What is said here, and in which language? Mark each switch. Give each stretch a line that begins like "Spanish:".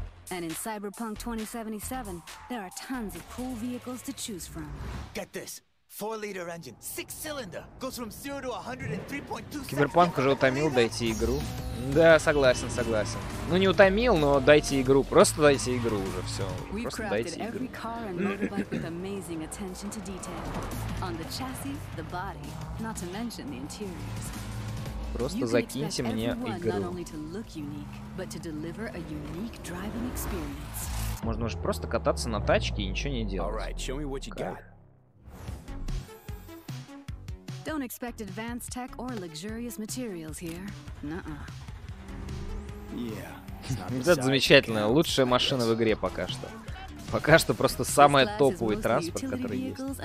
English: And in Cyberpunk 2077, there are tons of cool vehicles to choose from. Get this. 4-liter engine, 6-cylinder, goes from 0 to 100 in 3.2 seconds.
Russian: Киберпанк уже утомил, дайте игру. Да, согласен, согласен. Ну не утомил, но дайте игру, просто дайте игру уже, все. Просто дайте игру.
English: We crafted every car and motorbike with amazing attention to detail. On the chassis, the body, not to mention the interiors.
Russian: Просто закиньте мне игру. Можно же просто кататься на тачке и ничего не делать.
English: Don't expect advanced tech or luxurious materials here.
Russian: Это замечательно. Лучшая машина в игре пока что. Пока что просто самая топовый транспорт, который есть.